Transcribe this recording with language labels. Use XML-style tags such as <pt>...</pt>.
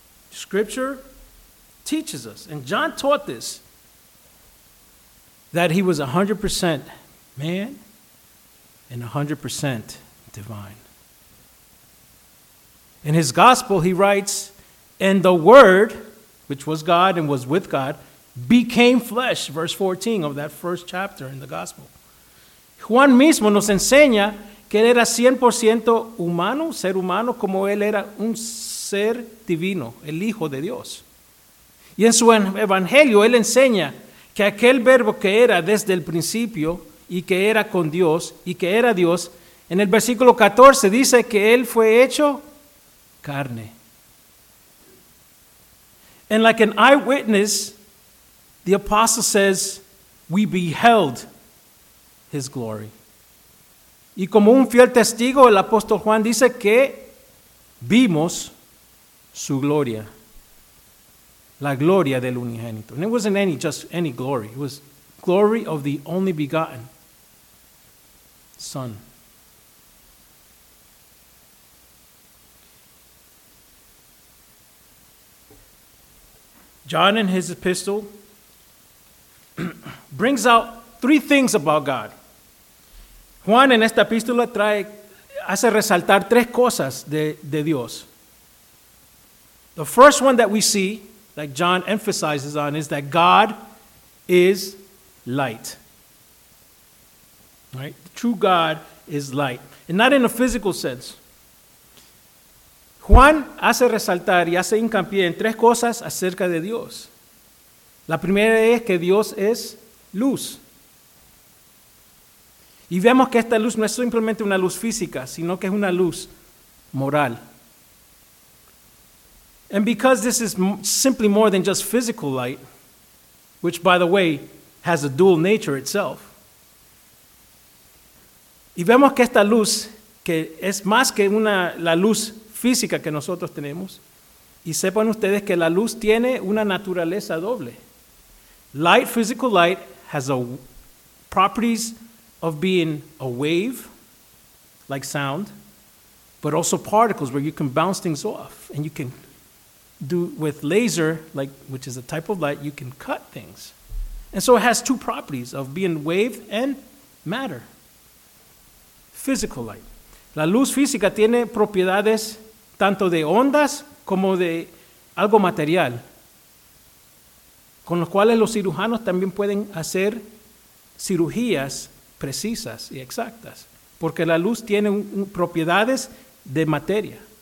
<en>Scripture teaches us, and John taught this, that he was 100% man and 100% divine. In his gospel, he writes, and the Word, which was God and was with God, became flesh, verse 14 of that first chapter in the gospel.</en> <es>Juan mismo nos enseña que él era 100% humano, ser humano, como él era un ser divino, el Hijo de Dios. Y en su evangelio, él enseña que aquel verbo que era desde el principio y que era con Dios y que era Dios, en el versículo 14 dice que él fue hecho carne.</es> <en>And like an eyewitness, the apostle says, we beheld his glory.</en> <es>Y como un fiel testigo, el apóstol Juan dice que vimos su gloria. La gloria del unigénito.</es> <en>And it wasn't just any glory. It was glory of the only begotten Son. John in his epistle brings out three things about God.</en> <es>Juan en esta epístola hace resaltar tres cosas de Dios.</es> <en>The first one that we see, that John emphasizes on, is that God is light. Right? The true God is light. And not in a physical sense.</en> <es>Juan hace resaltar y hace hincapié en tres cosas acerca de Dios. La primera es que Dios es luz. Y vemos que esta luz no es simplemente una luz física, sino que es una luz moral.</es> <en>And because this is simply more than just physical light, which, by the way, has a dual nature itself.</en> <es>Y vemos que esta luz, que es más que la luz física que nosotros tenemos, y sepan ustedes que la luz tiene una naturaleza doble.</es> <en>Light, physical light, has a properties of being a wave, like sound, but also particles where you can bounce things off, and you can do with laser, like which is a type of light, you can cut things. And so it has two properties of being wave and matter. Physical light.</en> <es>La luz física tiene propiedades tanto de ondas como de algo material, con los cuales los cirujanos también pueden hacer cirugías precisas y exactas, porque la luz tiene propiedades de materia.</es>